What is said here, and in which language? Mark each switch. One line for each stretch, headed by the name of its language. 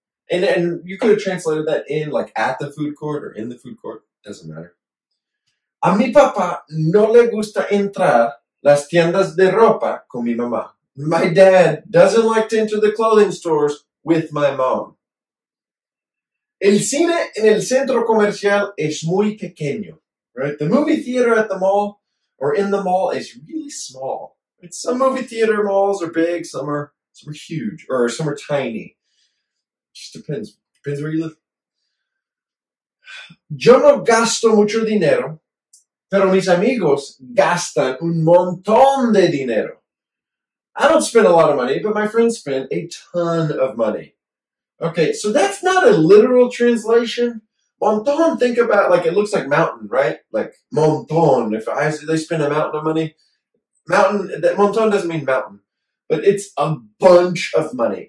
English: And you could have translated that in like at the food court or in the food court. Doesn't matter.
Spanish: A mi papá no le gusta entrar las tiendas de ropa con mi mamá.
English: My dad doesn't like to enter the clothing stores with my mom.
Spanish: El cine en el centro comercial es muy pequeño.
English: Right? The movie theater at the mall or in the mall is really small. Some movie theater malls are big, some are huge, or some are tiny. Just depends where you live.
Spanish: Yo no gasto mucho dinero, pero mis amigos gastan un montón de dinero.
English: I don't spend a lot of money, but my friends spend a ton of money. Okay, so that's not a literal translation. Montón, think about, like, it looks like mountain, right? Like, montón, if they spend a mountain of money. Mountain, that montón doesn't mean mountain, but it's a bunch of money.